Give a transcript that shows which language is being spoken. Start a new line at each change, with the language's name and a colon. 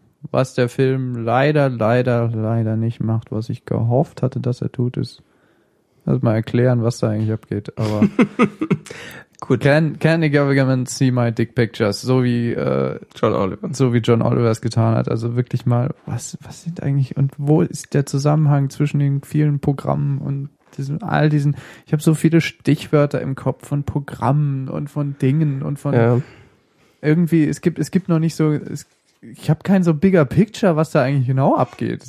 German: Was der Film leider nicht macht, was ich gehofft hatte, dass er tut, ist erstmal erklären, was da eigentlich abgeht. Aber gut.
English: Can the government see my dick pictures?
German: So wie John Oliver es getan hat. Also wirklich mal, was sind eigentlich und wo ist der Zusammenhang zwischen den vielen Programmen und all diesen. Ich habe so viele Stichwörter im Kopf von Programmen und von Dingen und von. Ja. Irgendwie, es gibt noch nicht so, ich habe kein so bigger picture, was da eigentlich genau abgeht.